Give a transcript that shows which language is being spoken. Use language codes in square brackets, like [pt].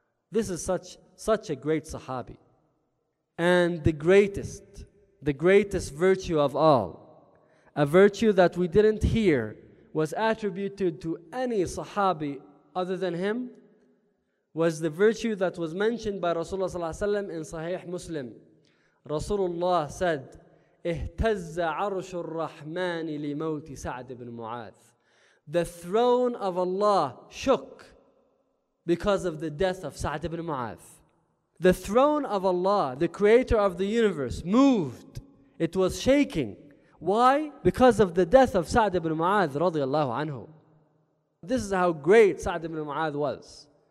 [en] This is such a great Sahabi. And the greatest virtue of all, a virtue that we didn't hear was attributed to any Sahabi other than him, was the virtue that was mentioned by Rasulullah sallallahu alaihi wasallam in Sahih Muslim. Rasulullah said, [ar] اِهْتَزَّ عَرْشُ الرَّحْمَانِ لِمَوْتِ سَعْد بْن مُعَاذ. [en] The throne of Allah shook because of the death of Sa'd ibn Mu'adh. The throne of Allah, the creator of the universe, moved. It was shaking. Why? Because of the death of Sa'd ibn Mu'adh radiallahu anhu. This is how great Sa'd ibn Mu'adh was.